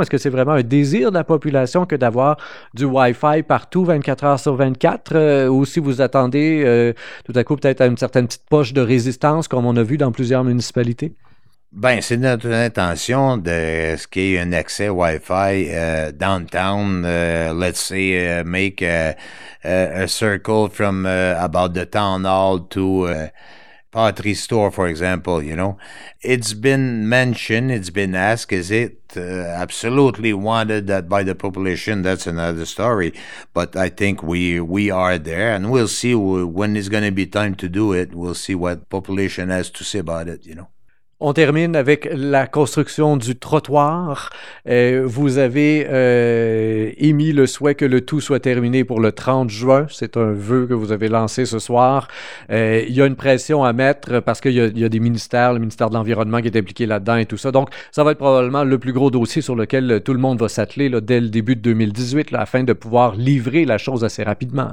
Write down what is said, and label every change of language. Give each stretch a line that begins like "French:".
French: Est-ce que c'est vraiment un désir de la population que d'avoir du Wi-Fi partout 24 heures sur 24? Ou si vous attendez tout à coup peut-être à une certaine petite poche de résistance, comme on a vu dans plusieurs municipalités? Bien, c'est notre intention de ce qu'il y ait un accès Wi-Fi downtown.
English: Let's say make a circle from about the town hall to Pottery Store, for example, you know. It's been mentioned, it's been asked, is it absolutely wanted that by the population? That's another story. But I think we are there, and we'll see when it's going to be time to do it. We'll see what population has to say about it, you know.
French: On termine avec la construction du trottoir. Vous avez émis le souhait que le tout soit terminé pour le 30 juin. C'est un vœu que vous avez lancé ce soir. Il y a une pression à mettre parce qu'il y a des ministères, le ministère de l'Environnement qui est impliqué là-dedans et tout ça. Donc, ça va être probablement le plus gros dossier sur lequel tout le monde va s'atteler là, dès le début de 2018 là, afin de pouvoir livrer la chose assez rapidement.